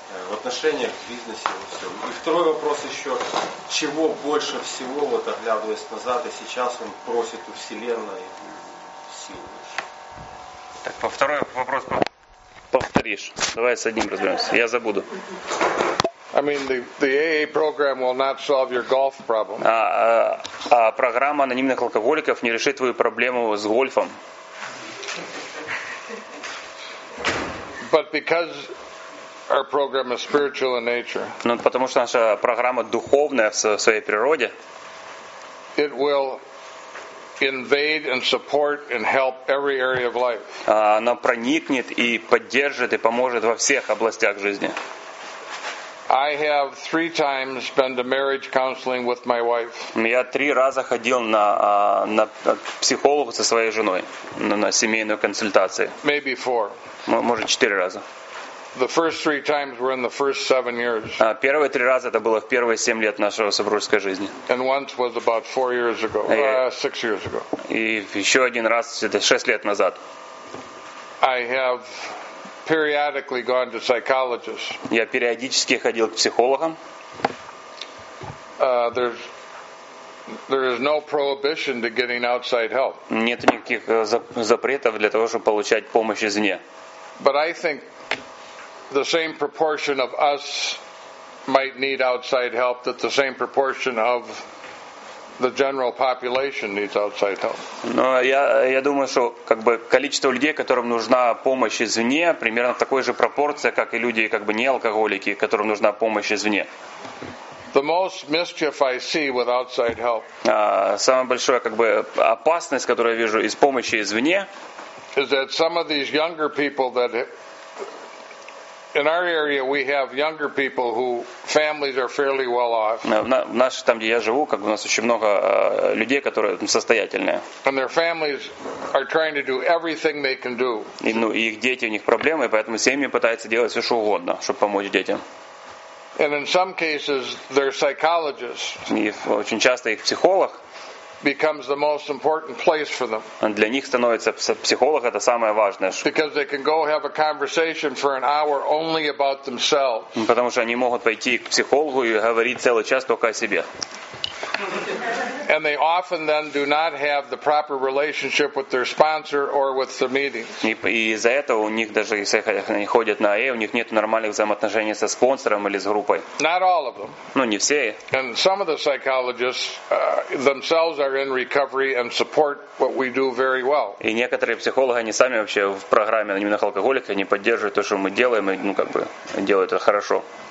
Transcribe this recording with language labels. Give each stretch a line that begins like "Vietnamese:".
Russian: В отношениях, в бизнесе, вот все. И второй вопрос еще, чего больше всего, вот оглядываясь назад, и сейчас он просит у Вселенной силы. Так, по второй вопрос повторишь. Давай с одним разберемся. Я забуду.
English: I mean, the AA program will not solve your golf problem.
Russian: А программа анонимных алкоголиков не решит твою проблему с гольфом.
English: But because our program is spiritual in nature.
Russian: Ну, потому что наша программа духовная в своей природе.
English: It will invade and support and help every area of life.
Russian: Она проникнет и поддержит и поможет во всех областях жизни.
English: I have three times been to marriage counseling with my wife.
Russian: Я три раза ходил на психолога со своей женой, на семейную консультацию.
English: Maybe four.
Russian: Может, четыре раза.
English: The first three times were in the first 7 years.
Russian: Первые три раза это было в первые 7 лет нашего супружеской жизни.
English: And once was about 4 years ago, 6 years ago.
Russian: И еще один раз это 6 лет назад.
English: I have periodically gone to psychologists.
Russian: Я периодически ходил к психологам.
English: There is no prohibition to getting outside help.
Russian: Нет никаких запретов для того, чтобы получать помощь извне.
English: But I think the same proportion of us might need outside help that the same proportion of the general population needs outside help.
Russian: Но я думаю, что как бы количество людей, которым нужна помощь извне, примерно в такой же пропорции, как и люди, как бы не алкоголики, которым нужна помощь извне.
English: The most mischief I see with outside help.
Russian: Самая большая как бы опасность, которую я вижу из помощи извне,
English: is that some of these younger people that in our area we have younger people who families are fairly well off.
Russian: В нашей там, где я живу, как бы у нас очень много людей, которые состоятельные.
English: And their families are trying to do everything they can do.
Russian: И, ну, их дети, у них проблемы, поэтому семьи пытаются делать все, что угодно, чтобы помочь детям.
English: And in some cases their psychologist.
Russian: И очень часто их психолог
English: becomes the most important place for them.
Russian: Для них становится психолог это самое важное.
English: Because they can go have a conversation for an hour only about themselves.
Russian: Потому что они могут пойти к психологу и говорить целый час только о себе.
English: And they often then do not have the proper relationship with their sponsor or with the meeting.
Russian: И из-за этого у них даже если они ходят на АА, у них нет нормальных взаимоотношений со спонсором или с группой.
English: Not all of them.
Russian: Ну, не все.
English: And some of the psychologists themselves are in recovery and support what we do very well.
Russian: И некоторые психологи, они сами вообще в программе анонимных алкоголиков, они поддерживают то, что мы делаем, и, ну, как бы, делают это хорошо.